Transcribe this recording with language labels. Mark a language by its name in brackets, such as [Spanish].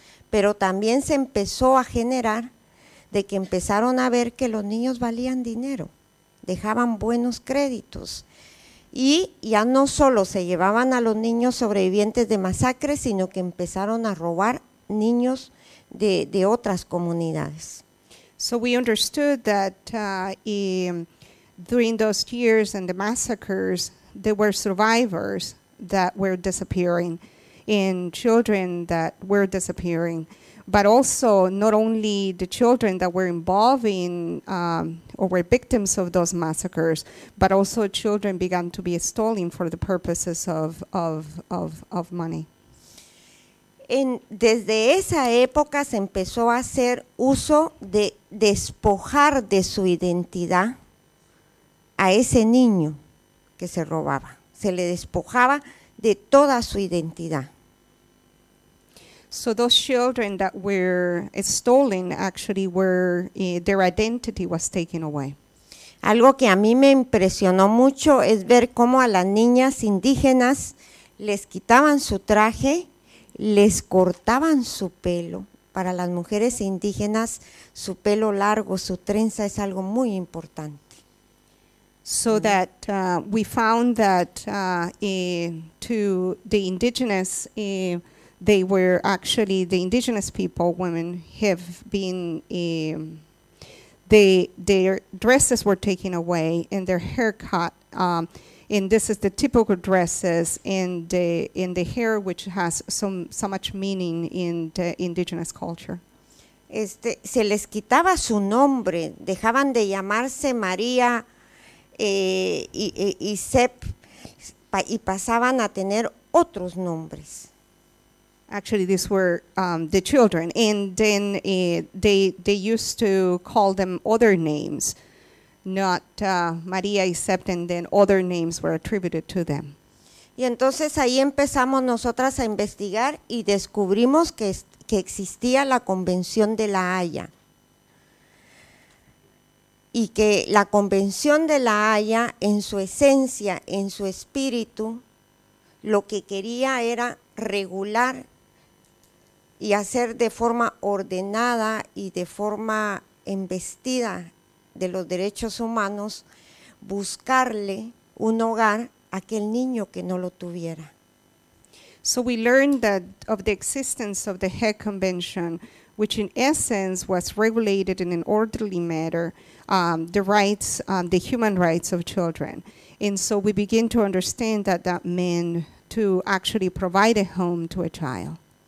[Spanish] Pero también se empezó a generar de que empezaron a ver que los niños valían dinero, dejaban buenos créditos. Y ya no solo se llevaban a los niños sobrevivientes de masacres, sino que empezaron a robar niños de otras comunidades. [English] So we understood that during those years and the massacres, there were survivors that were disappearing and children that were disappearing, but also not only the children that were involved in or were victims of those massacres, but also children began to be stolen for the purposes of money. [Spanish] Desde esa época se empezó a hacer uso de despojar de su identidad a ese niño que se robaba. Se le despojaba de toda su identidad. [English] So those children that were stolen actually were, their identity was taken away. [Spanish] Algo que a mí me impresionó mucho es ver cómo a las niñas indígenas les quitaban su traje, les cortaban su pelo. Para las mujeres indígenas, su pelo largo, su trenza es algo muy importante. [English] So that we found that to the indigenous, they were actually the indigenous people, women have been, their dresses were taken away and their haircut. And this is the typical dresses in the hair, which has so much meaning in the indigenous culture. [Spanish] Se les quitaba su nombre, dejaban de llamarse María y Sep, y pasaban a tener otros nombres. [English] Actually, these were the children, and then they used to call them other names. Not María, except and then other names were attributed to them. [Spanish] Y entonces ahí empezamos nosotras a investigar y descubrimos que existía la Convención de La Haya. Y que la Convención de La Haya, en su esencia, en su espíritu, lo que quería era regular y hacer de forma ordenada y de forma embestida de los derechos humanos, buscarle un hogar a aquel niño que no lo tuviera. [English] So we learned that of the existence of the Hague Convention, which in essence was regulated in an orderly manner, the rights, the human rights of children. And so we begin to understand that that meant to actually provide a home to a child.